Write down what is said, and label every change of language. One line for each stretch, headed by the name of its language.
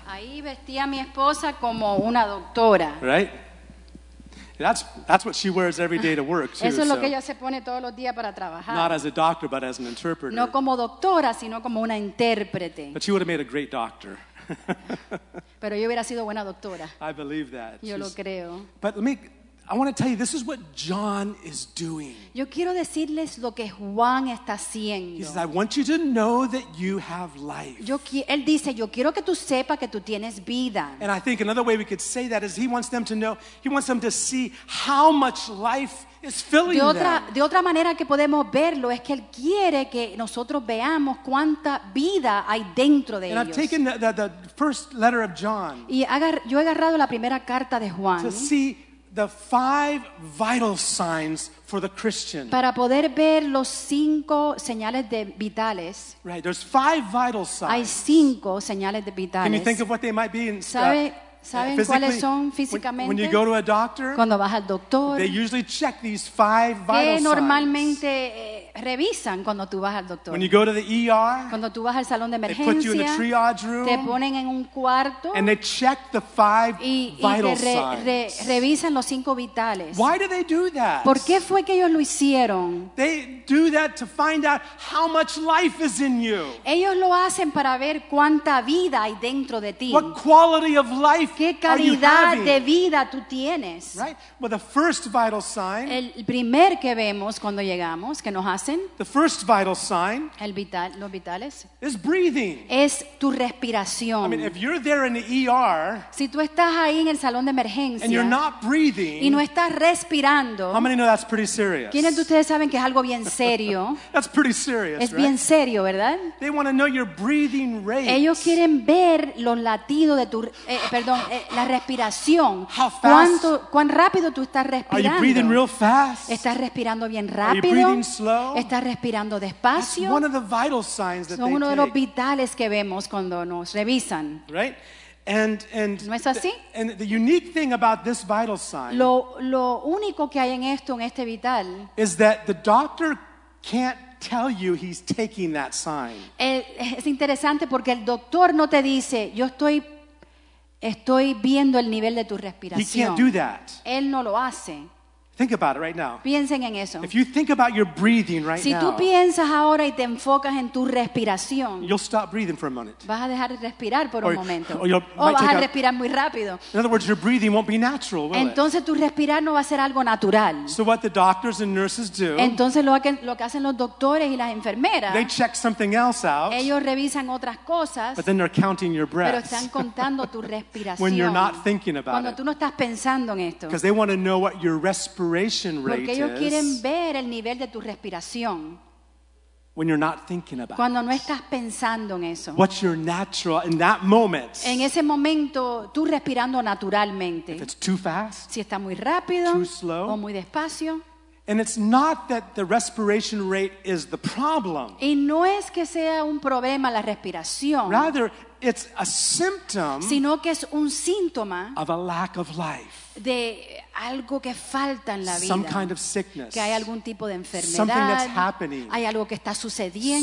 Spanish: Ahí vestí a mi esposa como una doctora.
English: Right? That's what she wears every day to work, too.
Spanish: Eso es lo que ella se pone todos los días para trabajar.
English: Not as a doctor, but as an interpreter.
Spanish: No como doctora, sino como una intérprete.
English: But she would have made a great doctor.
Spanish: Pero yo hubiera sido buena doctora.
English: I believe that.
Spanish: Yo lo creo.
English: But let me, I want to tell you, this is what John is doing.
Spanish: Yo quiero decirles lo que Juan está haciendo.
English: He says, I want you to know that you have life.
Spanish: Él dice, yo quiero que tú sepa que tú tienes vida.
English: And I think another way we could say that is he wants them to know, he wants them to see how much life is filling them.
Spanish: De otra manera que podemos verlo es que él quiere que nosotros veamos cuánta vida hay dentro de ellos.
English: And I've taken the first letter of John.
Spanish: Yo he agarrado la primera carta de Juan.
English: To see the five vital signs for the Christian.
Spanish: Para poder ver los cinco señales de vitales.
English: Right, there's five vital signs.
Spanish: Hay cinco señales de vitales.
English: Can you think of what they might be in
Spanish: ¿Saben cuáles son físicamente?
English: When you go to a doctor,
Spanish: cuando vas al doctor,
English: they usually check these five vital signs.
Spanish: ¿Qué normalmente revisan cuando tú vas al doctor?
English: When you go to the ER,
Spanish: cuando tú vas al salón de emergencia,
English: they put you in the triage room,
Spanish: te ponen en un cuarto,
English: and they check the five vital signs.
Spanish: Revisan los cinco vitales.
English: Why do they do that?
Spanish: ¿Por qué fue que ellos lo hicieron?
English: They do that to find out how much life is in you.
Spanish: Ellos lo hacen para ver cuánta vida hay dentro de ti.
English: What quality of life?
Spanish: ¿Qué calidad de vida tú tienes?
English: Right. Well, the first vital sign.
Spanish: El primer que vemos cuando llegamos, que nos hacen.
English: The first vital sign.
Spanish: El vital, los vitales.
English: Is breathing.
Spanish: Es tu respiración.
English: I mean, if you're there in the ER.
Spanish: Si tú estás ahí en el salón de emergencia.
English: And you're not breathing.
Spanish: Y no estás respirando.
English: How many know that's pretty serious?
Spanish: ¿Quiénes de ustedes saben que es algo bien serio?
English: That's pretty serious.
Spanish: Es bien serio, ¿verdad?
English: They want to know your breathing rate.
Spanish: Ellos quieren ver los latidos de tu. Perdón, la respiración. ¿Cuán rápido tú estás respirando?
English: Are you breathing real fast?
Spanish: ¿Estás respirando bien rápido?
English: Are you breathing slow?
Spanish: ¿Estás respirando despacio?
English: That's one of the vital signs that
Spanish: son uno
English: they
Spanish: de los vitales que vemos cuando nos revisan.
English: Right?
Spanish: ¿No es así?
English: The unique thing about this vital sign
Spanish: lo único que hay en este vital
English: is that the doctor can't tell you he's taking that sign.
Spanish: Es interesante porque el doctor no te dice, yo estoy viendo el nivel de tu respiración.
English: He can't do that.
Spanish: Él no lo hace.
English: Think about it right now.
Spanish: Piensen en eso.
English: If you think about your breathing right
Spanish: si
English: now,
Spanish: tú piensas ahora y te enfocas en tu respiración,
English: you'll stop breathing for a minute.
Spanish: Vas a dejar de respirar por un momento.
English: Or
Spanish: vas a respirar muy rápido.
English: In other words, your breathing won't be natural, will
Spanish: entonces
English: it?
Spanish: Tu respirar no va a ser algo natural.
English: So what the doctors and nurses do,
Spanish: entonces lo que hacen los doctores y las enfermeras,
English: they check something else out,
Spanish: ellos revisan otras cosas,
English: but then they're counting your breaths,
Spanish: pero están contando tu respiración
English: when you're not thinking about
Spanish: cuando
English: it.
Spanish: Tú no estás pensando en esto.
English: Because they want to know what your respiration
Spanish: porque ellos quieren ver el nivel de tu respiración.
English: When you're not thinking about
Spanish: cuando no estás pensando en eso.
English: What's your natural in that moment?
Spanish: En ese momento, tú respirando naturalmente.
English: If it's too fast,
Spanish: si está muy rápido,
English: too slow,
Spanish: o muy despacio.
English: And it's not that the respiration rate is the problem.
Spanish: Y no es que sea un problema la respiración.
English: Rather, it's a symptom,
Spanish: sino que es un síntoma,
English: of a lack of life,
Spanish: de algo que falta en la vida,
English: some kind of sickness,
Spanish: que hay algún tipo de enfermedad,
English: something that's happening,
Spanish: hay algo que está sucediendo,